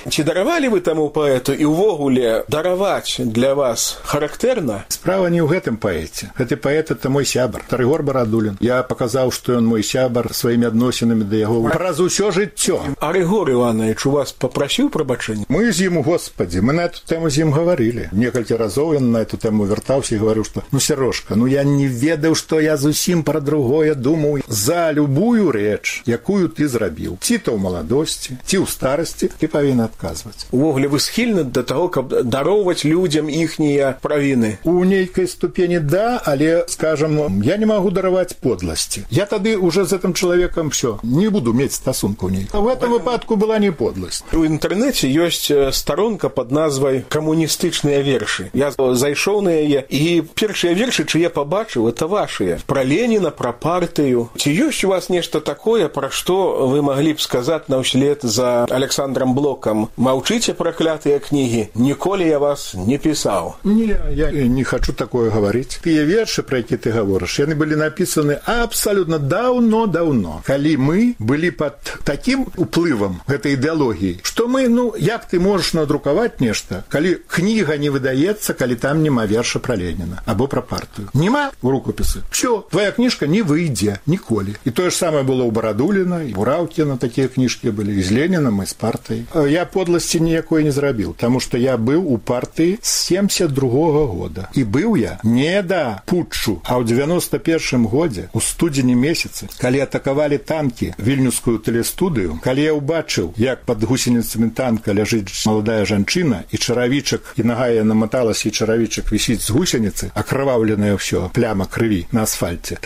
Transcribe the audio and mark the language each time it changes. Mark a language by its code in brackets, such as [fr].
[be] Ці даравалі вы таму паэту і ўвогуле дараваць для вас характэрна? Справа не ў гэтым паэце. Гэты паэт – это мой сябар, Рыгор Барадулін. Я паказаў, што ён мой сябар сваімі адносінамі да яго праз усё жыццё. А Рыгор Іванович у вас папрасіў прабачэння? Мы з ім, Господі, [ru] мы на эту тэму [be] з ім гаварылі. Некалькі разоў ён на эту тэму вяртаўся і гаварыў, што «Ну, Серожка, ну я не ведаў, што я зусім пра другое думаў. За любую рэч, якую ты зрабіў, ці то ў маладосці, ці ў старасці, ты павінен адказваць». Увогуле вы схільны да таго, каб дароўваць людзям іхнія правіны? У нейкай ступені да, але, скажам, я не магу дараваць подласці. Я тады ўже з гэтым чалавекам всё, не буду мець стасунку нейка. У гэтым выпадку была не подласць. У інтэрнэце ёсць старонка пад назвай «Камуністычныя вершы». Я зайшоў на яе, і першыя вершы, чые пабачыў, это вашыя. Пра Леніна, пра партыю. Ці ёсць у вас нешта такое, пра што вы маглі б сказаць на ўслед за Александрам Блокам? Маўчыце, праклятыя кнігі, ніколі я вас не пісаў. [ru] Не, я не хочу такое говорить. [be] Тыя вершы, про які ты гаворыш, яны былі напісаны абсалютна даўно-даўно, калі мы былі пад такім уплывам гэтай ідэалогіі, што мы, ну, як ты можаш надрукаваць нешта, калі кніга не выдаецца, калі там няма верша пра Леніна або пра партыю. Няма ў рукапісы. Всё, твая кніжка не выйдзе ніколі. І тое ж самае было ў Барадуліна, і ў Раўкіна такія кніжкі былі, і з Леніном, і з партыяй. Я подласці ніякой не зрабіў, таму што я быў у партыі з 72-го года. І быў я не да путчу, а ў 91-м годзе, у студзені месяцы, калі атакавалі танкі вільнюскую тэлестудыю, калі я ўбачыў, як пад гусеніцамі танка ляжыць маладая жанчына, і чаравічак, і нага я намоталася, і чаравічак вісіць з гусеніцы, акрываўленая ўсё, пляма крыві на асфальце.